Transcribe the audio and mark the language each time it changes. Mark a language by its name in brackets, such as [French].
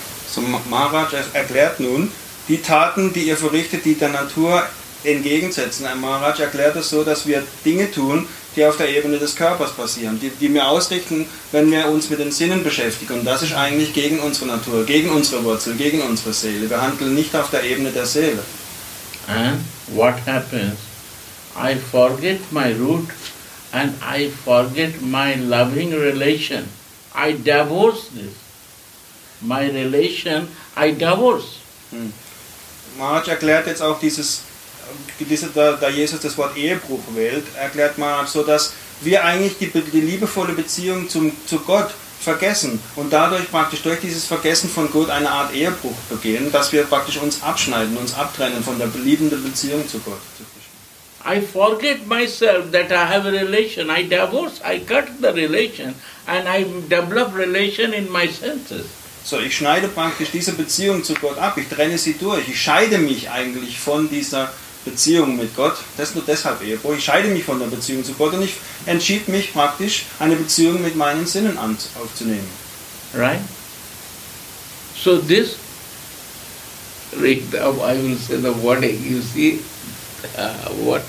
[German] So Maharaj erklärt nun, die Taten, die ihr verrichtet, die der Natur entgegensetzen. Ein Maharaj erklärt es so, dass wir Dinge tun, die auf der Ebene des Körpers passieren, die wir ausrichten, wenn wir uns mit den Sinnen beschäftigen. Und das ist eigentlich gegen unsere Natur, gegen unsere Wurzel, gegen unsere Seele. Wir handeln nicht auf der Ebene der Seele. [English] And what happens? I forget my root and I forget my loving relation. I divorce this. My relation, I divorce. [German] Maharaj erklärt jetzt auch dieses, da Jesus das Wort Ehebruch wählt, erklärt man so, dass wir eigentlich die liebevolle Beziehung zu Gott vergessen und dadurch praktisch durch dieses Vergessen von Gott eine Art Ehebruch begehen, dass wir praktisch uns abschneiden, uns abtrennen von der liebenden Beziehung zu Gott. [English] I forget myself that I have a relation. I divorce, I cut the relation and I develop relation in my senses. [German] So, ich schneide praktisch diese Beziehung zu Gott ab. Ich trenne sie durch. Ich scheide mich eigentlich von dieser Beziehung mit Gott. Das ist nur deshalb Ehebruch. Ich scheide mich von der Beziehung zu Gott und ich entschied mich praktisch, eine Beziehung mit meinen Sinnen aufzunehmen. [English] Right? So this, I will say the word, you see, what?